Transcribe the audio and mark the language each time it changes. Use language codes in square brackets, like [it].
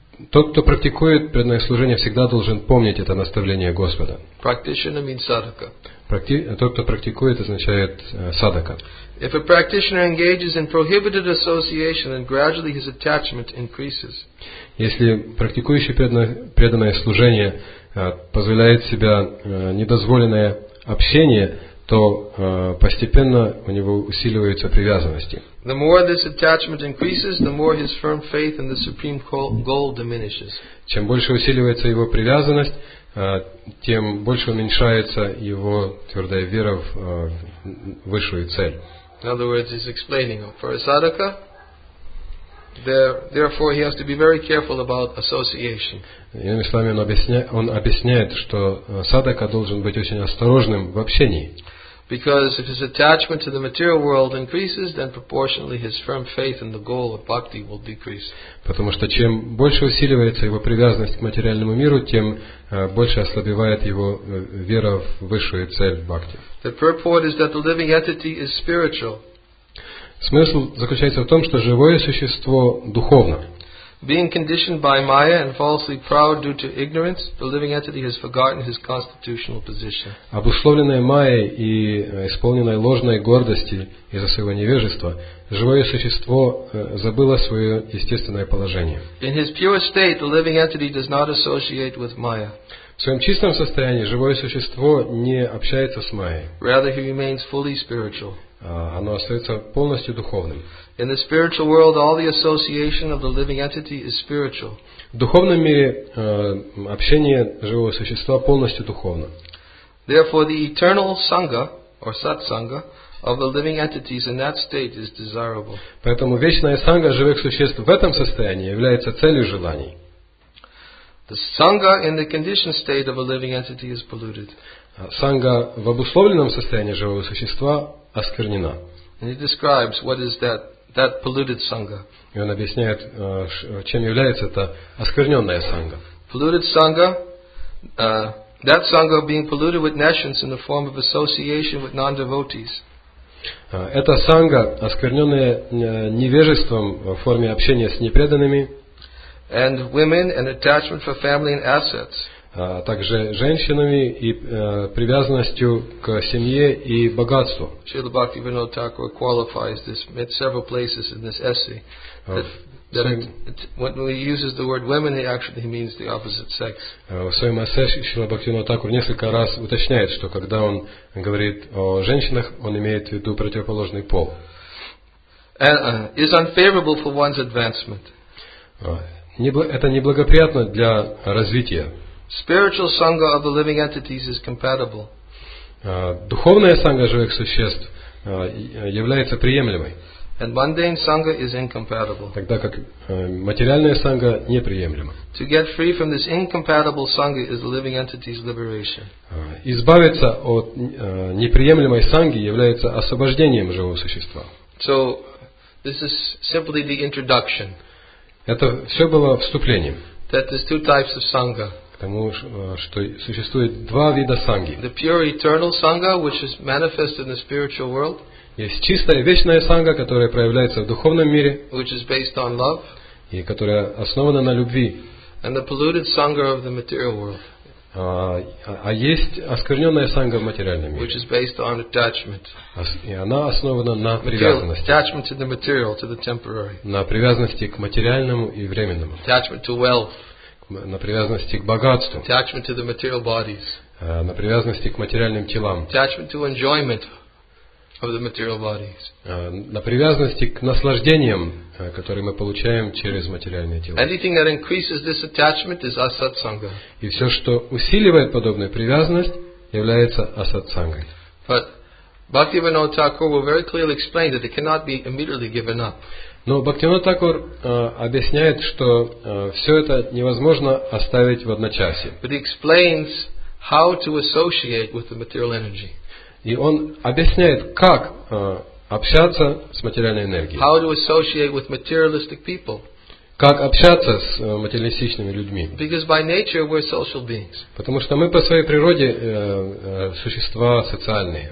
[ru] Тот, кто практикует преданное служение, всегда должен помнить это наставление Господа. [en] Practitioner means sadhaka. [ru] Тот, кто практикует, означает садака. [en] If a practitioner engages in prohibited association, then gradually his attachment increases. [ru] Если практикующий преданное служение позволяет себя недозволенное общение, то постепенно у него усиливаются привязанности. [en] The more this attachment increases, the more his firm faith in the supreme goal diminishes. [ru] Чем больше усиливается его привязанность, тем больше уменьшается его твердая вера в высшую цель. [en] In other words, he's explaining for a sadhaka, therefore he has to be very careful about association. [ru] Иными словами, он объясняет, что садака должен быть очень осторожным в общении. [en] Because if his attachment to the material world increases, then proportionally his firm faith in the goal of bhakti will decrease. [ru] Потому что чем больше усиливается его привязанность к материальному миру, тем больше ослабевает его вера в высшую цель бхакти. [en] The purport is that the living entity is spiritual. [ru] Смысл заключается в том, что живое существо духовно. [en] Being conditioned by Maya and falsely proud due to ignorance, the living entity has forgotten his constitutional position. [ru] Обусловленное Майей и исполненное ложной гордости из-за своего невежества, живое существо забыло свое естественное положение. [en] In his pure state, the living entity does not associate with Maya. [ru] В своем чистом состоянии живое существо не общается с Майей. [en] Rather, he remains fully spiritual. [ru] Оно остается полностью духовным. [en] In the spiritual world, all the association of the living entity is spiritual. [ru] В духовном мире общение живого существа полностью духовно. [en] Therefore, the eternal sangha or satsanga of the living entities in that state is desirable. [ru] Поэтому вечная санга живых существ в этом состоянии является целью желаний. [en] The sangha in the conditioned state of a living entity is polluted. [ru] Санга в обусловленном состоянии живого существа осквернена. [en] And he describes what is that. That polluted sangha. [ru] И он объясняет, чем является эта оскверненная санга. [en] Polluted sangha, that sangha being polluted with nations in the form of association with non-devotees. [ru] Эта санга, оскверненная невежеством в форме общения с непреданными. [en] And women and attachment for family and assets. [ru] Также женщинами и привязанностью к семье и богатству. [en] Шрила Бхактивинода Тхакура qualifies this at several places in this essay. That when he uses the word women, he actually means the opposite sex. [ru] В своем эссе Шрила Бхактивинода Тхакура несколько раз уточняет, что когда он говорит о женщинах, он имеет в виду противоположный пол. [en] Is unfavorable for one's advancement. [ru] это неблагоприятно для развития. [en] Spiritual sangha of the living entities is compatible. [ru] Духовная санга живых существ является приемлемой. [en] And mundane sangha is incompatible. [ru] Тогда как материальная санга неприемлема. [en] To get free from this incompatible sangha is the living entity's liberation. [ru] Избавиться от неприемлемой санги является освобождением живого существа. [en] So this is simply the introduction. [ru] Это все было вступлением. [en] That there's two types of sangha. [ru] Потому что существует два вида санги. [en] The pure eternal sangha, which is manifested in the spiritual world. [ru] Есть чистая вечная санга, которая проявляется в духовном мире, [en] which is based on love, [ru] и которая основана на любви. [en] And the polluted sangha of the material world. [ru] А есть оскверненная санга в материальном мире, [en] which is based on attachment. [ru] И она основана на привязанности. [en] Attachment to the material, to the temporary. [ru] На привязанности к материальному и временному. [en] Attachment to wealth. [ru] На привязанности к богатству. [en] Attachment to the material bodies. [ru] На привязанности к материальным телам. [en] Attachment to enjoyment of the material bodies. [ru] На привязанности к наслаждениям, которые мы получаем через материальные тела. [en] Anything that increases this attachment is asatsanga. [ru] И все, что усиливает подобную привязанность, является асатсангой. [en] But Bhaktivinoda Thakur will very clearly explain that it cannot be immediately given up. [ru] Но Бхактивинода Такур объясняет, что все это невозможно оставить в одночасье. [en] But he explains how to associate with the material energy. [ru] И он объясняет, как общаться с материальной энергией. [en] How to associate with materialistic people. [ru] Как общаться с материалистичными людьми. [en] Because by nature we're social beings. [ru] Потому что мы по своей природе существа социальные.